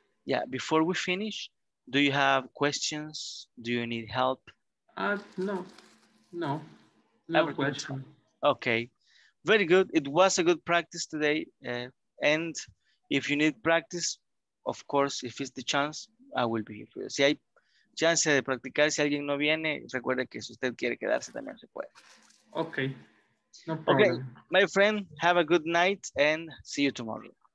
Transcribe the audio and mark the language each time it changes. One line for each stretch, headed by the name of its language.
English: Yeah, before we finish, do you have questions? Do you need help? No. No everything question. Okay, very good. It was a good practice today. And if you need practice, of course, if it's the chance, I will be here for you.
Spanish: Si hay chance de practicar, si alguien no viene, recuerde que si usted quiere quedarse, también se puede.
English: Okay. No problem. Okay, my friend, have a good night and see you tomorrow.